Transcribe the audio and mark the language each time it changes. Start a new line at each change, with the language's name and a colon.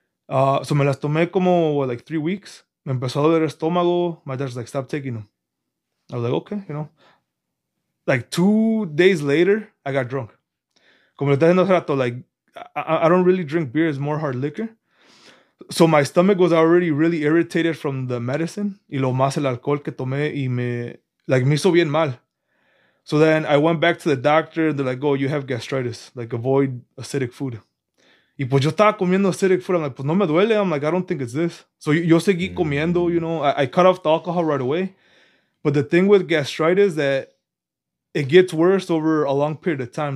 Spanish: So me las tomé como, what,
English: like 3 weeks.
Spanish: Me empezó a doler el estómago.
English: My dad's like, stop taking them. I was like, okay, you know. Like 2 days later, I got drunk.
Spanish: Como le estaba diciendo hace rato,
English: like, I don't really drink beer. It's more hard liquor. So my stomach was already really irritated from the medicine.
Spanish: Y lo más el alcohol que tomé y me hizo bien mal.
English: So then I went back to the doctor. They're like, oh, you have gastritis. Like, avoid acidic food.
Spanish: Y pues yo estaba comiendo
English: acidic food. I'm like,
Spanish: pues no me duele.
English: I'm like, I don't think it's this. So
Spanish: yo seguí comiendo,
English: you know. I cut off the alcohol right away. But the thing with gastritis that it gets worse over a long period of time.